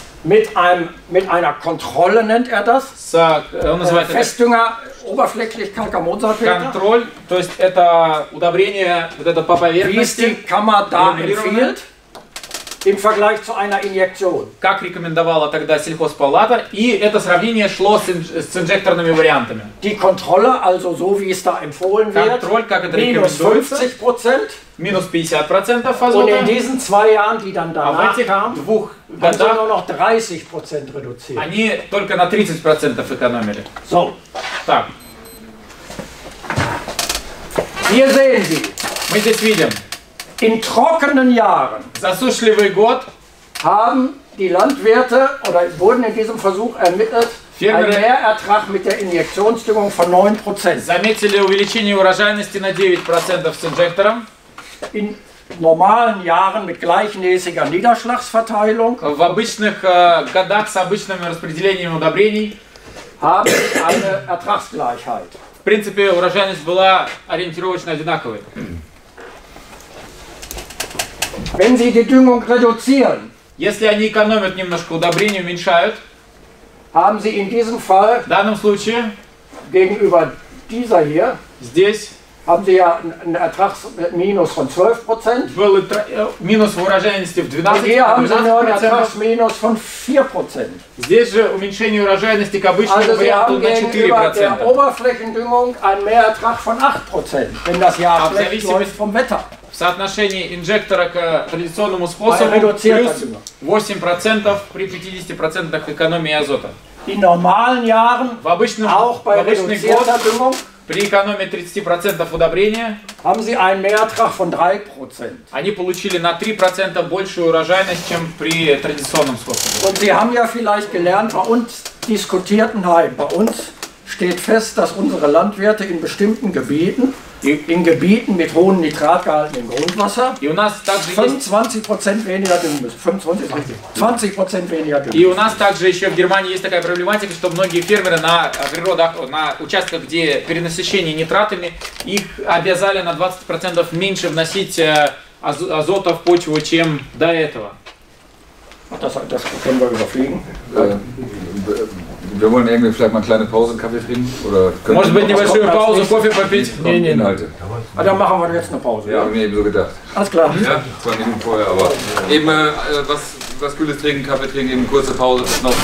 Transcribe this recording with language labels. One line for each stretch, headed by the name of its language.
German: mit einer Kontrolle nennt er das. Festdünger, oberflächlich Kalkammonsalpeter.
Russian: Kontroll, то есть это удобрение вот это по поверхности.
German: Wie ist die Kammer da empfiehlt im Vergleich zu einer Injektion?
Russian: Как рекомендовала тогда сельхозпалата, и это сравнение шло с инжекторными вариантами.
German: Die Kontrolle, also so wie es da empfohlen wird.
Russian: Kontroll, как это рекомендуется. Minus 50% Azota.
German: Und in diesen zwei Jahren, die dann danach kamen. Haben sie nur noch 30% reduziert.
Russian: Они только на 30% экономили.
German: So.
Russian: Так.
German: Hier sehen Sie.
Russian: Мы здесь видим.
German: In trockenen Jahren.
Russian: Засушливый год.
German: Haben die Landwirte, oder wurden in diesem Versuch ermittelt, einen Mehrertrag mit der Injektionsdüngung von 9%.
Russian: Заметили увеличение урожайности на 9% с инжектором.
German: In normalen Jahren mit gleichmäßiger Niederschlagsverteilung.
Russian: В обычных годах с обычным распределением удобрений
German: haben eine Ertragsgleichheit.
Russian: В принципе, урожайность была ориентировочно одинаковой.
German: Wenn Sie die Düngung reduzieren,
Russian: если они экономят немножко удобрений, уменьшают,
German: haben Sie in diesem Fall,
Russian: в данном случае,
German: gegenüber dieser hier,
Russian: здесь,
German: haben Sie ja einen Ertragsminus von 12%.
Russian: Minus в урожайности в 12%.
German: Hier haben Sie nur einen Ertragsminus von 4%.
Russian: Здесь же уменьшение урожайности к обычному варианту на 4%.
German: Also Sie haben gegenüber der Oberflächendüngung einen Mehrertrag von 8%, wenn das Jahr schlecht läuft vom Wetter.
Russian: В соотношении инжектора к традиционному способу плюс 8% при 50% экономии азота.
German: In normalen Jahren,
Russian: в обычном,
German: auch bei reduzierter Düngung,
Russian: при экономии 30% удобрения,
German: haben Sie einen Mehrertrag von 3%.
Russian: Они получили на 3% большую урожайность, чем при традиционном способе.
German: Und Sie haben ja vielleicht gelernt, bei uns diskutierten halt, bei uns steht fest, dass unsere Landwirte in bestimmten Gebieten, in Gebieten mit hohen Nitratgehalten im Grundwasser, 25% weniger düngen müssen. 20% weniger düngen.
Russian: И у нас также еще в Германии есть такая проблематика, что многие фермеры на природах, на участках, где перенасыщение нитратами, их обязали на 20% меньше вносить азота в почву, чем до этого.
German: Das können wir überfliegen. Wir wollen irgendwie vielleicht mal eine kleine Pause Kaffee trinken oder können wir eine schöne Pause Kaffee verpissen? Nein, nein, Inhalte. Ah, dann machen wir jetzt eine Pause. Ja, mir eben so gedacht. Alles klar. Ja, von eben vorher, aber eben was Kühles trinken, Kaffee trinken, eben kurze Pause noch.